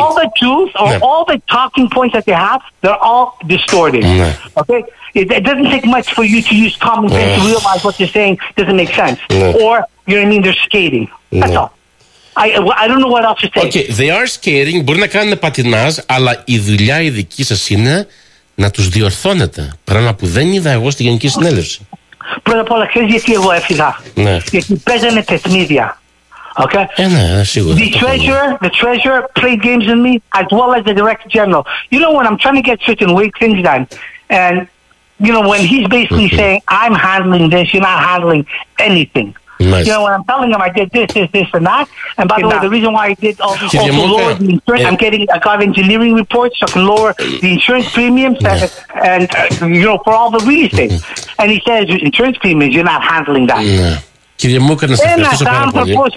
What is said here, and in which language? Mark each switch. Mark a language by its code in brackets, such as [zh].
[en] All the truth or all the talking points that they have, they're all distorted. Okay? It doesn't take much for you to use common sense to realize what they're saying doesn't make sense. Or, you know what I mean, they're skating. That's all. I don't know what else to say. Okay, they are skating. [el] Μπορεί να κάνουν πατινάζ, αλλά η δουλειά η δική σας είναι να τους διορθώνετε. Πράγμα που δεν είδα εγώ στη Γενική Συνέλευση. Πρώτα απ' όλα, ξέρεις γιατί εγώ έφυγα? Ναι. Γιατί παίζανε παιχνίδια. Okay? Ναι, σίγουρα. [en] The treasurer played games with me, as well as the director general. You know, when I'm trying to get certain weird things done, and, you know, when he's basically saying, I'm handling this, you're not handling anything. Nice. You know, when I'm telling him I did this, and that, and by the way, the reason why I did also lower the insurance, I got engineering reports so I can lower the insurance premiums, and you know, for all the reasons. And he says, insurance premiums, you're not handling that. [el] Κύριε Μούκα, να σας ευχαριστήσω πάρα πολύ.